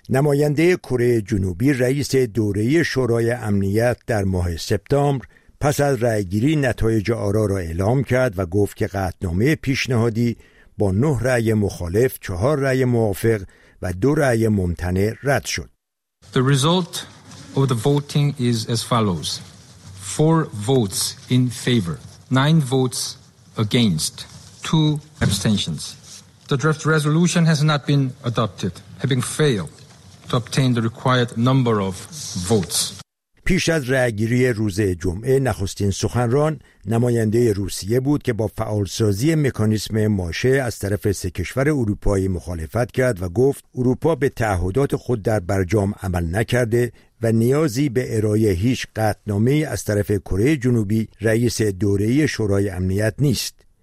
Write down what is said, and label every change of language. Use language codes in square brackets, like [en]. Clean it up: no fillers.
[fa] نماینده کره جنوبی رئیس دوره‌ای شورای امنیت در ماه سپتامبر پس از رأی گیری نتایج آرا را اعلام کرد و گفت که قطعنامه پیشنهادی با 9 رأی مخالف، 4 رأی موافق و 2 رأی ممتنع رد شد. [en] The result of the voting is as follows. 4 votes in favor, 9 votes against, 2 abstentions. The draft resolution has not been adopted, having failed to obtain the required number of votes. [fa] پیش از رأی‌گیری روز جمعه، نخستین سخنران نماینده روسیه بود که با فعالسازی مکانیسم ماشه از طرف 3 کشور اروپایی مخالفت کرد و گفت اروپا به تعهدات خود در برجام عمل نکرده و نیازی به ارائه هیچ قطعنامه از طرف کره جنوبی رئیس دوره‌ای شورای امنیت نیست.